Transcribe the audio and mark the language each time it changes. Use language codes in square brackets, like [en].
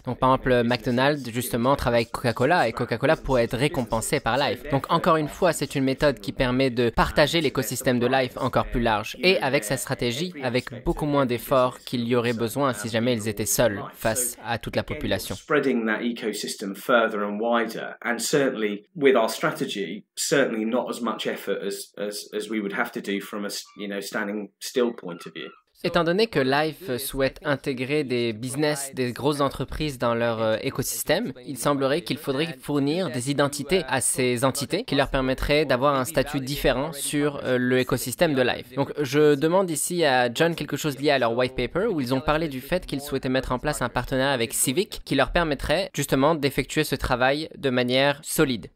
[fr] Donc par exemple, McDonald's, justement, travaille avec Coca-Cola et Coca-Cola pourrait être récompensé par Live. Donc encore une fois, c'est une méthode qui permet de partager l'écosystème de Live encore plus large et avec sa stratégie, avec beaucoup moins d'efforts qu'il y aurait besoin si jamais ils étaient seuls face à toute la population. [en] Spreading that ecosystem further and wider, and certainly with our strategy, certainly not as much effort as we would have to do from a, you know, standing still point of view. [fr] Étant donné que Live souhaite intégrer des business, des grosses entreprises dans leur écosystème, il semblerait qu'il faudrait fournir des identités à ces entités qui leur permettraient d'avoir un statut différent sur l'écosystème de Live. Donc, je demande ici à John quelque chose lié à leur white paper où ils ont parlé du fait qu'ils souhaitaient mettre en place un partenariat avec Civic qui leur permettrait justement d'effectuer ce travail de manière solide.